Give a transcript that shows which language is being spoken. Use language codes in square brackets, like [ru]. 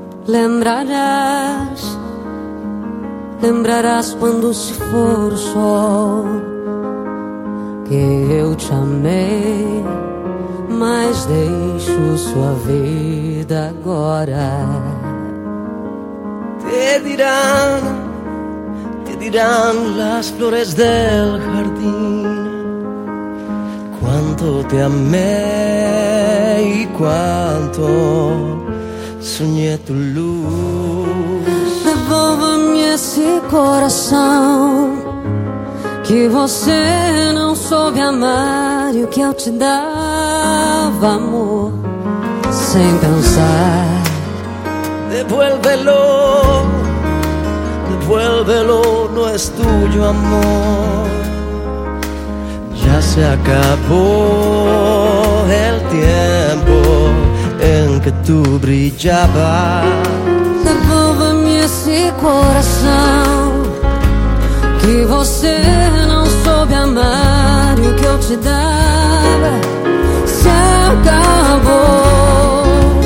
[pt] Lembrarás, lembrarás quando se for o sol, que eu te amei, mas deixo sua vida agora. [es] Te dirán las flores del jardín, cuánto te amé y cuánto soñé tu luz. [pt] Devolva-me esse coração que você não soube amar, e o que eu te dava, amor, sem pensar. [es] Devuélvelo, devuélvelo, no es tuyo, amor. Ya se acabó el tiempo en que tú brillabas. Devuélveme ese corazón que [pt] você não soube amar, [es] y que yo te daba, se acabó.